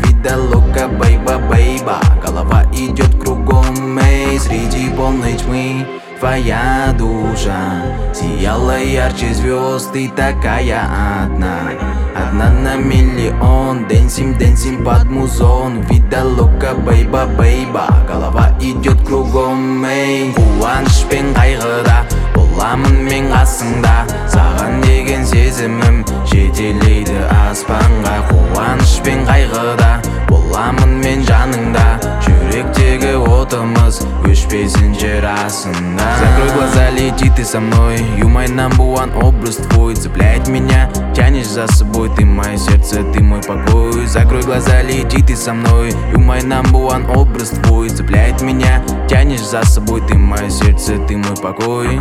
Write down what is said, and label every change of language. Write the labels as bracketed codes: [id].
[ru] Вида лока, бейба, бейба. Голова идет кругом, эй, среди полной тьмы твоя душа сияла ярче звезд, ты такая одна. Одна на миллион, [en] dancing, dancing [ru] под музон. Вида лока, бейба, бейба. Голова идет кругом, эй. [kk] Куаныш пен қайғыда боламын мен қасыңда. Саған деген сезімім жетелейді аспанға. Куаныш пен қайғыда боламын мен жаныңда. Жүректегі отымыз өшпесін жер асында. [ru] Закрой глаза, лети ты со мной. [en] You my number one, [ru] образ твой. Цепляет меня, тянешь за собой. Ты мое сердце, ты мой покой. Закрой глаза, лети ты со мной. [en] You my number one, [ru] образ твой. Цепляет меня, тянешь за собой. Ты мое сердце, ты мой покой.